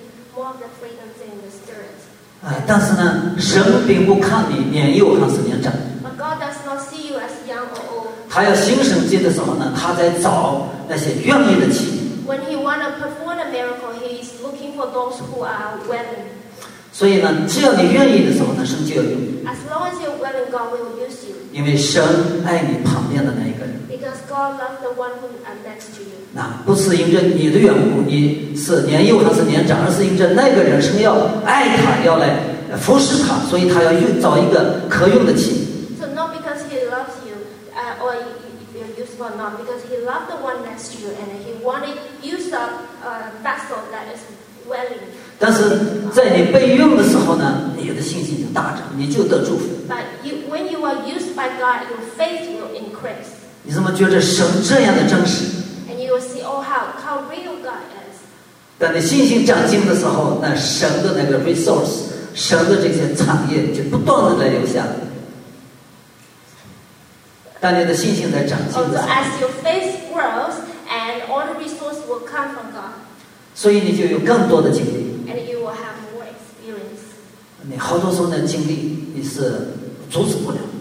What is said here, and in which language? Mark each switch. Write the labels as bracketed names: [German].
[English] Sometimes in the beginning, you may not be having this kind of freedom, but as we grow in the body of Christ, we will start to getting more of the freedom in the spirit. [Chinese] 但是呢，神并不看你年幼还是年长。 [English] But God does not see you as young or old. [Chinese] 他要行神迹的时候呢，他在找那些愿意的器皿。 [English] When he want to perform a miracle, he is looking for those who are willing. [Chinese] 所以呢，只要你愿意的时候呢，神就要用你。 [English] As long as you're willing, God will use you. [Chinese] 因为神爱你旁边的那一个人。 [English] Because God loves the one who is next to you. [Chinese] 那不是因着你的缘故，你是年幼还是年长，而是因着那个人是要爱他，要来服侍他，所以他要用找一个可用的器。 [English] So not because he loves you, or you're useful, not because he loves the one next to you, and he wanted to use a vessel that is willing. [Chinese] 但是在你被用的时候呢，你的信心就大涨，你就得祝福。 [English] But when you are used by God, your faith will increase. [Chinese] 你怎么觉得神这样的真实？ [English] And you will see, oh, how real God is. [Chinese] 当你信心长进的时候，那神的那个 resource, 神的这些产业就不断的来流下。当你的信心在长进的时候， [English] as your faith grows, and all the resources will come from God. [Chinese] 所以你就有更多的经历。 [English] And you will have more experience. [Chinese] 你好多时候的经历你是阻止不了。